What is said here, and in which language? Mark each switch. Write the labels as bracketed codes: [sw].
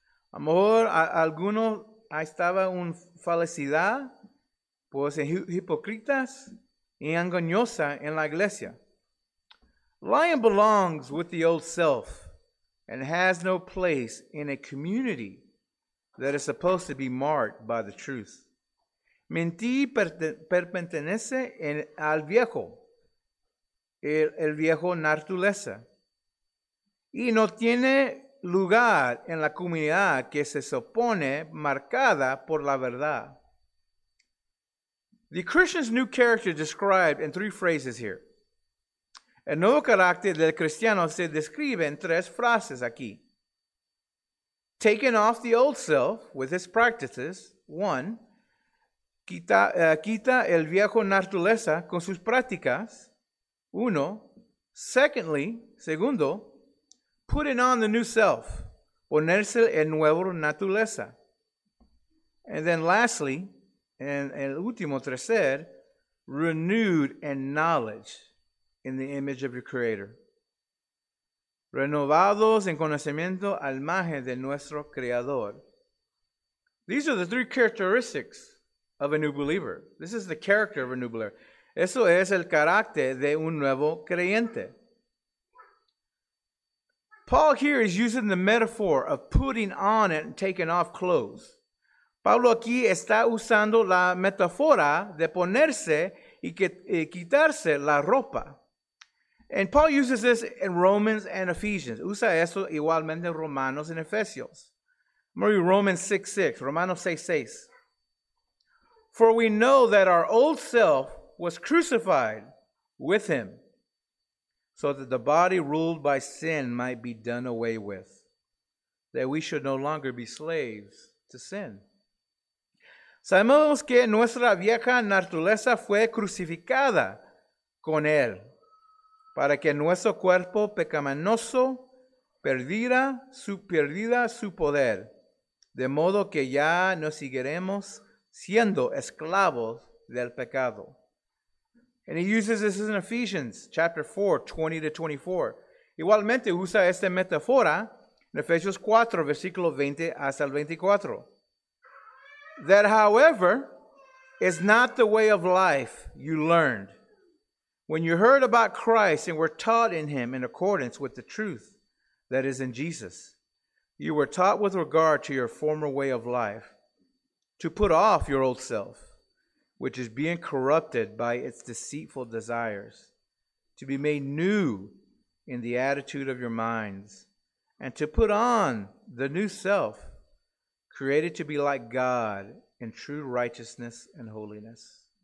[es] A lo mejor alguno estaba en falsedad, pues hipócritas y engañosa en la iglesia. [en] Lying belongs with the old self and has no place in a community that is supposed to be marked by the truth. [es] Mentir pertenece al viejo, el viejo naturaleza, y no tiene lugar en la comunidad que se supone marcada por la verdad. [en] The Christian's new character described in three phrases here. [es] El nuevo carácter del cristiano se describe en tres frases aquí. [en] Taking off the old self with its practices, one. [es] Quita el viejo naturaleza con sus prácticas, uno. [en] Secondly, [es] segundo, [en] putting on the new self, [es] ponerse el nuevo naturaleza. [en] And then lastly, [es] en el último tercer, [en] renewed in knowledge in the image of your creator. [es] Renovados en conocimiento al imagen de nuestro creador. [en] These are the three characteristics of a new believer. This is the character of a new believer. [es] Eso es el carácter de un nuevo creyente. [en] Paul here is using the metaphor of putting on and taking off clothes. [es] Pablo aquí está usando la metáfora de ponerse y quitarse la ropa. [en] And Paul uses this in Romans and Ephesians. [es] Usa eso igualmente en Romanos [en] and Ephesians. Maybe Romans 6:6, Romanos 6:6. For we know that our old self was crucified with him, so that the body ruled by sin might be done away with, that we should no longer be slaves to sin. [es] Sabemos que nuestra vieja naturaleza fue crucificada con él, para que nuestro cuerpo pecaminoso perdida su poder, de modo que ya no seguiremos siendo esclavos del pecado. [en] And he uses this in Ephesians chapter 4, 20 to 24. [es] Igualmente usa esta metáfora en Efesios 4, versículo 20 hasta el 24. [en] That, however, is not the way of life you learned when you heard about Christ and were taught in him in accordance with the truth that is in Jesus. You were taught with regard to your former way of life to put off your old self, which is being corrupted by its deceitful desires, to be made new in the attitude of your minds, and to put on the new self, created to be like God in true righteousness and holiness.